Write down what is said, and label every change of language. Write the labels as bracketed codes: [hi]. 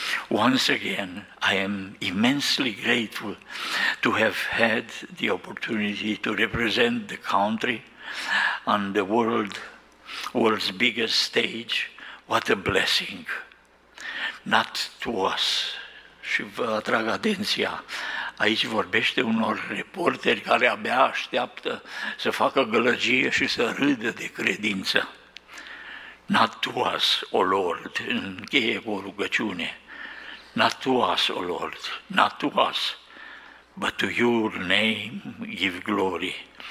[en] Once again, I am immensely grateful to have had the opportunity to represent the country on the world's biggest stage. What a blessing. Not to us. [ro] Și vă atrag atenția, aici vorbește unor reporteri care abia așteaptă să facă gălăgie și să râdă de credință. [en] Not to us, O Lord, [ro] încheie cu o rugăciune. [en] Not to us, O Lord, not to us, but to Your name give glory.